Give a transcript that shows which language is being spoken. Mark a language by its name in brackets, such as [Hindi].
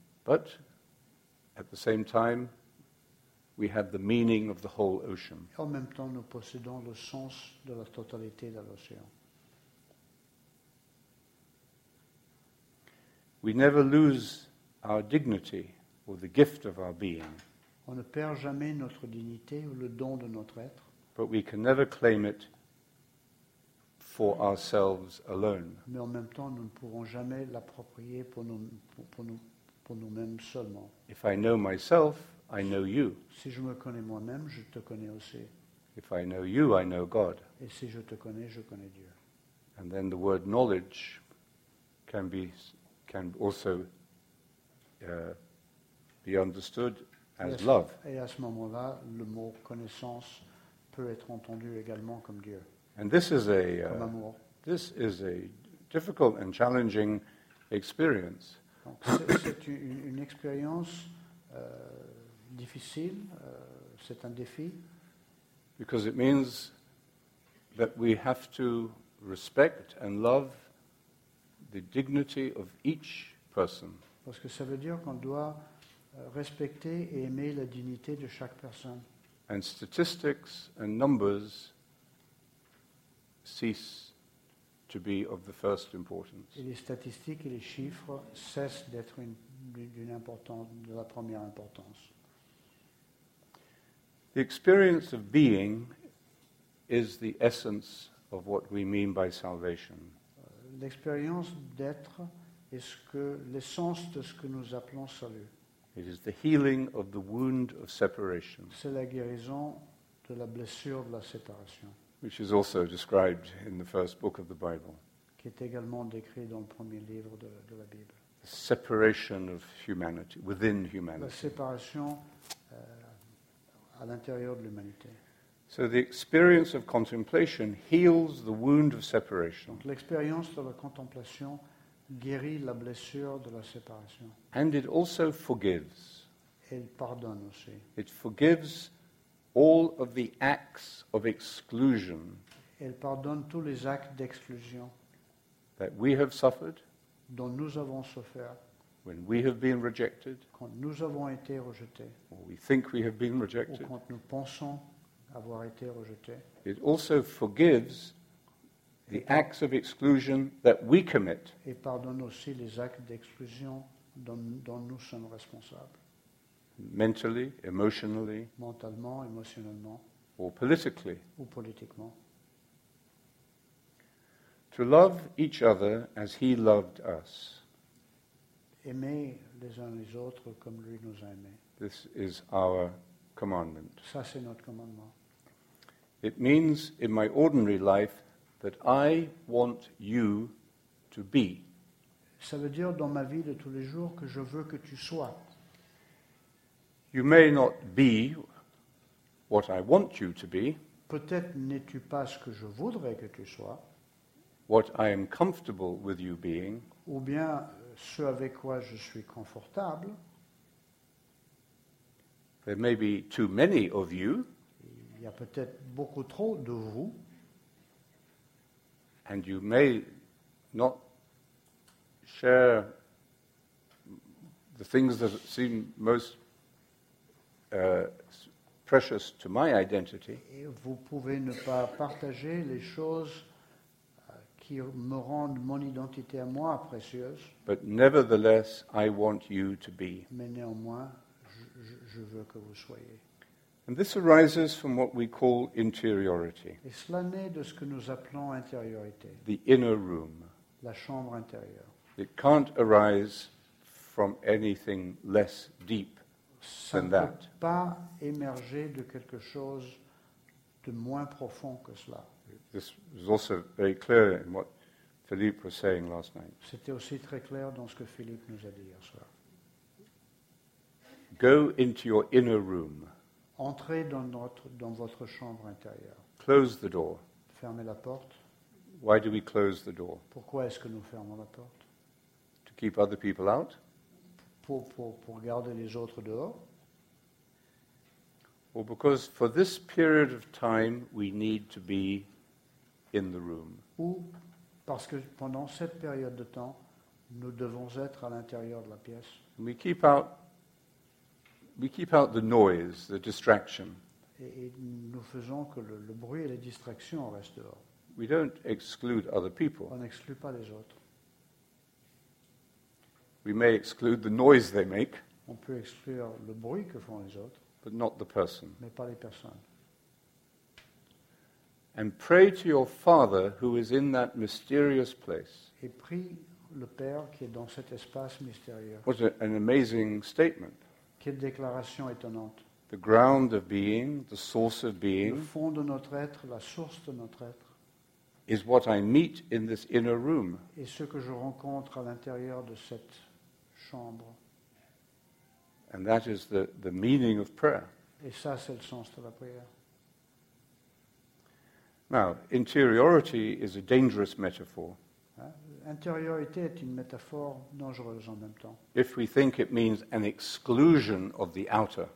[English] But at the same time, we have the meaning of the whole ocean. [French] Et en même temps, nous possédons le sens de la totalité de l'océan. [English] We never lose our dignity or the gift of our being. [French] On ne perd jamais notre dignité ou le don de notre être. [English] But we can never claim it for ourselves alone. [French] Mais en même temps, nous ne pourrons jamais l'approprier pour nous-mêmes seulement. [English] If I know myself, I know you. [French] Si je me connais moi-même, je te connais aussi. [English] If I know you, I know God. [French] Et si je te connais, je connais Dieu. [English] And then the word knowledge can also be understood as love. [French] Et à ce moment-là, le mot connaissance peut être entendu également comme Dieu. [English] And this is a [French] comme amour. [English] This is a difficult and challenging experience. [French] Donc c'est une expérience difficile, c'est un défi. [English] Because it means that we have to respect and love the dignity of each person. [French] Parce que ça veut dire qu'on doit respecter et aimer la dignité de chaque personne. [English] And statistics and numbers cease to be of the first importance. [French] Et les statistiques et les chiffres cessent d'être de la première importance. [English] The experience of being is the essence of what we mean by salvation. [French] L'expérience d'être est l'essence de ce que nous appelons salut. [English] It is the healing of the wound of separation. [French] C'est la guérison de la blessure de la séparation. [English] Which is also described in the first book of the Bible. [French] Qui est également décrit dans le premier livre de la Bible. [English] The separation of humanity, within humanity. [French] La séparation à l'intérieur de l'humanité. [English] So the experience of contemplation heals the wound of separation. [French] Donc l'expérience de la contemplation guérit la blessure de la séparation. [English] And it also forgives. [French] Elle pardonne aussi. [English] It forgives all of the acts of exclusion. [French] Elle pardonne tous les actes d'exclusion. [English] That we have suffered. [French] Dont nous avons souffert. [English] When we have been rejected. [French] Quand nous avons été rejetés. [English] Or we think we have been rejected. [French] Ou quand nous pensons avoir été rejeté. [English] It also forgives the acts of exclusion that we commit. [French] Et pardonne aussi les actes d'exclusion dont nous sommes responsables. [English] Mentally, emotionally. [French] Mentalement, émotionnellement. [English] Or politically. [French] Ou politiquement. [English] To love each other as he loved us. [French] Aimer les uns les autres comme lui nous a aimés. [English] This is our commandment. [French] Ça, c'est notre commandement. [English] It means in my ordinary life that I want you to be. [French] Ça veut dire dans ma vie de tous les jours que je veux que tu sois. [English] You may not be what I want you to be. [French] Peut-être n'es-tu pas ce que je voudrais que tu sois. [English] What I am comfortable with you being. [French] Ou bien ce avec quoi je suis confortable. [English] There may be too many of you. [French] Il y a peut-être beaucoup trop de vous. [English] And you may not share the things that seem most precious to my identity. [French] Et vous pouvez ne pas partager les choses qui me rendent mon identité à moi précieuse. [English] But nevertheless, I want you to be. [French] Mais néanmoins, je veux que vous soyez. [English] And this arises from what we call interiority. [French] Et cela naît de ce que nous appelons intériorité. [English] The inner room. [French] La chambre intérieure. [English] It can't arise from anything less deep than that. [French] Ça ne peut pas émerger de quelque chose de moins profond que cela. [English] This was also very clear in what Philippe was saying last night. [French] C'était aussi très clair dans ce que Philippe nous a dit hier soir. [English] Go into your inner room. [French] Entrez dans votre chambre intérieure. [English] Close the door. [French] Fermez la porte. [English] Why do we close the door? [French] Pourquoi est-ce que nous fermons la porte? [English] To keep other people out. [French] Pour garder les autres dehors. [English] Or because for this period of time we need to be in the room. [French] Ou parce que pendant cette période de temps nous devons être à l'intérieur de la pièce. [English] And we keep out the noise, the distraction. [French] Et nous faisons que le bruit et les distractions restent dehors. [English] We don't exclude other people. [French] On n'exclut pas les autres. [English] We may exclude the noise they make. [French] On peut exclure le bruit que font les autres. [English] But not the person. [French] Mais pas les personnes. [English] And pray to your Father who is in that mysterious place. [French] Et prie le Père qui est dans cet espace mystérieux. [English] What an amazing statement. [French] Quelle déclaration étonnante. [English] The ground of being, the source of being. [French] Le fond de notre être, la source de notre être. [English] Is what I meet in this inner room. [French] Et ce que je rencontre à l'intérieur de cette chambre. [English] And that is the meaning of prayer. [French] Et ça, c'est le sens de la prière. [English] Now, interiority is a dangerous metaphor. [French] Intériorité est une métaphore dangereuse en même temps. [English] If we think it means an exclusion of the outer.